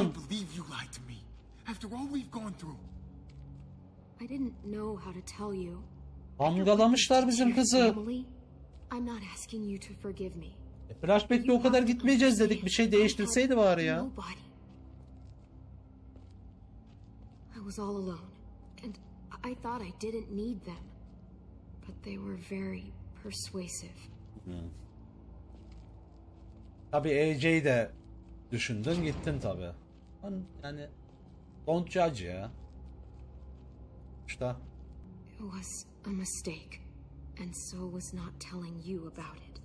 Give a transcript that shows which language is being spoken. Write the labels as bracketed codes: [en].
[en] I can't believe you lied to me. After all we've gone through. I didn't know how to tell you. [tr] Damgalamışlar bizim kızı. [en] I'm not asking you to forgive me. [tr] Flashback'te o kadar gitmeyeceğiz dedik. Bir şey değiştirseydi bari ya. [en] I was all alone and I thought I didn't need them. But they were very persuasive. [tr] Tabi AJ'yi de düşündün, gittin tabi. Yani [en] don't judge [tr] ya. [en] It was a mistake, and so was not telling you about it.